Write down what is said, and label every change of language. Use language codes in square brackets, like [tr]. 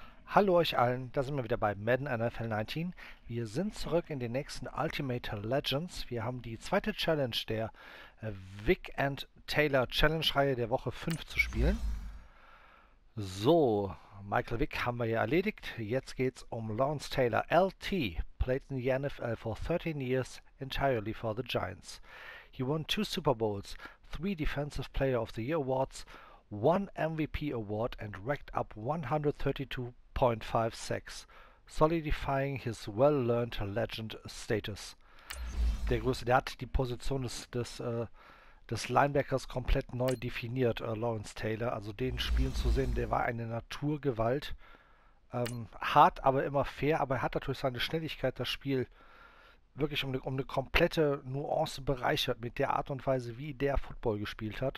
[de] Hallo euch allen, da sind wir wieder bei Madden NFL 19. Wir sind zurück in den nächsten Ultimate Legends. Wir haben die zweite Challenge der Vic and Taylor Challenge Reihe der Woche 5 zu spielen. So, Michael Vick haben wir ja erledigt. Jetzt geht's um Lawrence Taylor. [en] LT played in the NFL for 13 years entirely for the Giants. He won 2 Super Bowls, 3 Defensive Player of the Year Awards, 1 MVP Award and racked up 132.56, solidifying his well-learned legend status. [de] Der Größe, der hat die Position des Linebackers komplett neu definiert, Lawrence Taylor. Also den spielen zu sehen, der war eine Naturgewalt. Hart, aber immer fair, aber er hat natürlich seine Schnelligkeit, das Spiel wirklich um eine komplette Nuance bereichert mit der Art und Weise, wie der Football gespielt hat.